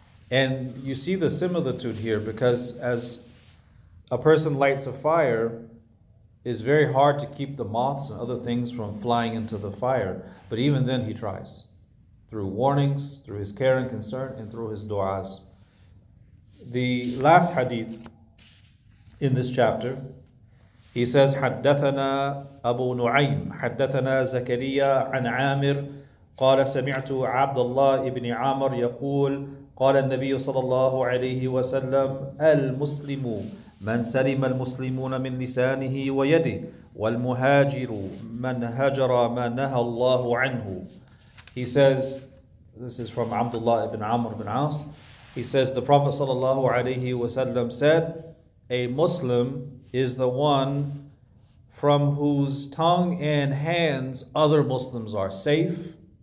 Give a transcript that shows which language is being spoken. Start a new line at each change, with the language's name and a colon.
English: And you see the similitude here, because as a person lights a fire, it's very hard to keep the moths and other things from flying into the fire. But even then he tries, through warnings, through his care and concern, and through his du'as. The last hadith in this chapter, he says,
Arabic: حَدَّثَنَا أَبُو نُعَيْمٍ حَدَّثَنَا زَكَرِيَّا عَنْ عَامِرٍ قَالَ سَمِعْتُ عَبْدَ اللَّهِ إِبْنِ عَامِرٍ يَقُولُ قَالَ النَّبِيُّ صَلَى اللَّهُ عَلَيْهِ وَسَلَّمَ الْمُسْلِمُ مَنْ سَلِمَ الْمُسْلِمُونَ مِنْ لِسَانِهِ وَيَدِهِ وَالْمُهَاجِرُ مَنْ هَجَرَ مَا نَهَى اللَّهُ عَنْهُ.
English: He says, this is from Abdullah ibn Amr ibn As. He says, the Prophet sallallahu alayhi wasallam said, a Muslim is the one from whose tongue and hands other Muslims are safe.